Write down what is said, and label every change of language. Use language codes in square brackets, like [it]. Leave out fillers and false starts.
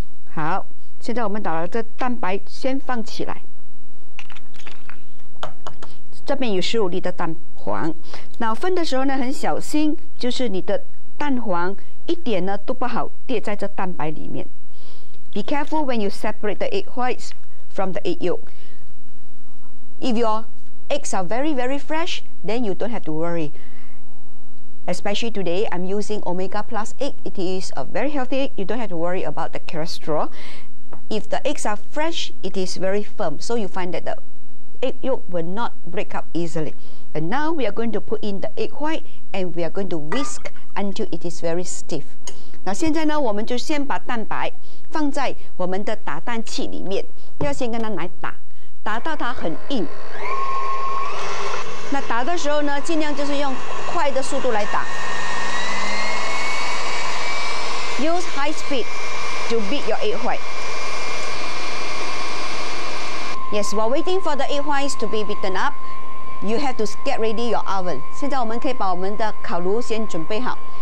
[zh] 好，现在我们把这蛋白先放起来。这边有15粒的蛋黄，那分的时候呢很小心，就是你的蛋黄一点呢都不好跌在这蛋白里面。 [en] Be careful when you separate the egg whites from the egg yolk. If your eggs are very very fresh. Then you don't have to worry. Especially today, I'm using Omega Plus egg. It is a very healthy egg. You don't have to worry about the cholesterol. If the eggs are fresh, it is very firm. So you find that the egg yolk will not break up easily. And now we are going to put in the egg white and we are going to whisk until it is very stiff. [zh] 那现在呢，我们就先把蛋白放在我们的打蛋器里面，要先跟它来打，打到它很硬。那打的时候呢，尽量就是用快的速度来打。 [en] Use high speed to beat your egg white. Yes, while waiting for the egg whites to be beaten up, you have to get ready your oven. [zh] 现在我们可以把我们的烤炉先准备好。